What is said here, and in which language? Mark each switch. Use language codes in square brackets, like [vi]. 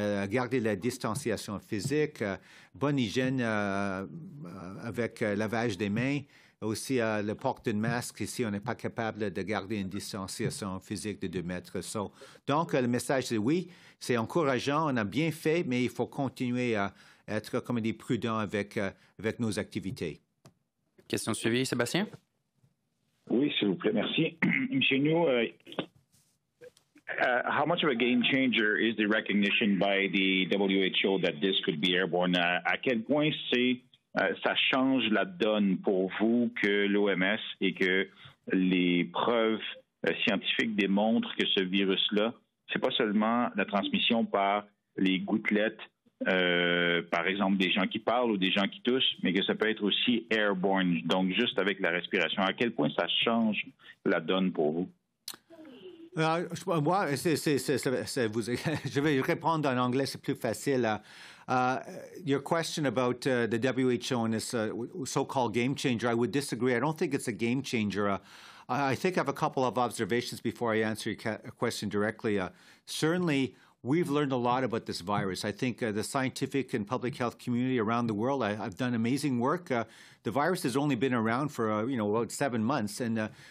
[fr] Garder la distanciation physique, bonne hygiène avec lavage des mains, aussi le port d'un masque si on n'est pas capable de garder une distanciation physique de 2 mètres. So, donc, le message, c'est oui, c'est encourageant, on a bien fait, mais il faut continuer à être, comme on dit, prudent avec nos activités. Question suivie, Sébastien. Oui, s'il vous plaît, merci. [en] Monsieur New, how much of a game changer is the recognition by the WHO that this could be airborne? [fr] À quel point ça change la donne pour vous que l'OMS et que les preuves scientifiques démontrent que ce virus-là, c'est pas seulement la transmission par les gouttelettes, par exemple des gens qui parlent ou des gens qui toussent, mais que ça peut être aussi airborne, donc juste avec la respiration. À quel point ça change la donne pour vous? Moi, je vais répondre en anglais, c'est plus facile. [en] Your question about the WHO and this so-called game changer, I would disagree. I don't think it's a game changer. I think I have a couple of observations before I answer your question directly. Certainly, we've learned a lot about this virus. I think the scientific and public health community around the world, I've done amazing work. The virus has only been around for, you know, about 7 months. And